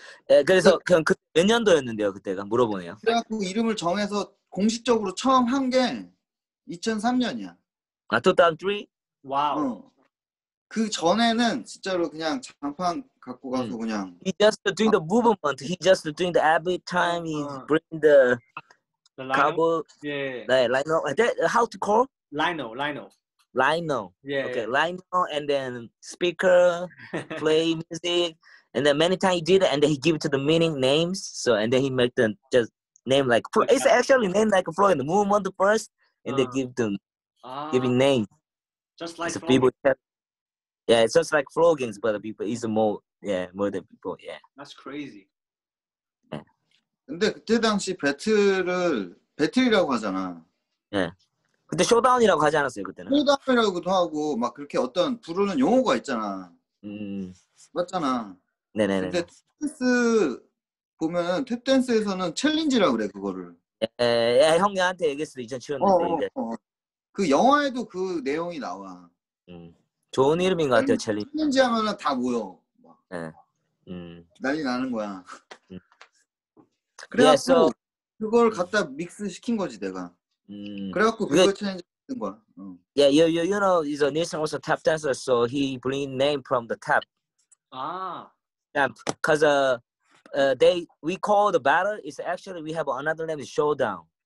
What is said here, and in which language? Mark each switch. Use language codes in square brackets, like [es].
[ko] 예, 그래서 그냥 그 몇 년도였는데요 그때가 물어보네요. 그래갖고 이름을 정해서 공식적으로 처음 한 게 2003년이야. 아, 2003? 와우. 그 전에는 진짜로 그냥 장판 갖고 가서 그냥. [en] He just doing the movement. He just doing the every time he bring the cargo. Yeah. Yeah. Lino. How to call? Lino. Lino. Lino. Yeah. Okay. Lino and then speaker play music and then many times he did it and then he give it to the meaning names so and then he make the just name like it's actually name like Floyd movement first and they give them giving name. Just like so people. Yeah, it's just like floggings, but the people is more, yeah, more than people, yeah. That's crazy. Yeah. [ko] 근데 그때 당시 배틀을 배틀이라고 하잖아. 예. [en] Yeah. [ko] 그때 쇼다운이라고 하지 않았어요 그때는. 쇼다운이라고도 하고 막 그렇게 어떤 부르는 용어가 있잖아. 맞잖아. 네네네. 근데 탭댄스 보면 탭댄스에서는 챌린지라고 그래 그거를. 예, 예, 형님한테 얘기했어 2007년도인데. 그 영화에도 그 내용이 나와. 좋은 이름인 것 같아요, 챌린지. 챌린지 하면은 다 모여. 예. 네. 난리 나는 거야. 그래갖고 그걸 갖다 믹스 시킨 거지 내가. 그래갖고 그걸 챌린지 했던 거야. 예, [en] yeah, you know, is a Nissan also tap dancer, so he bring name from the tap. [ko] 아. [en] Yeah, cause they we call the battle is actually we have another name is showdown.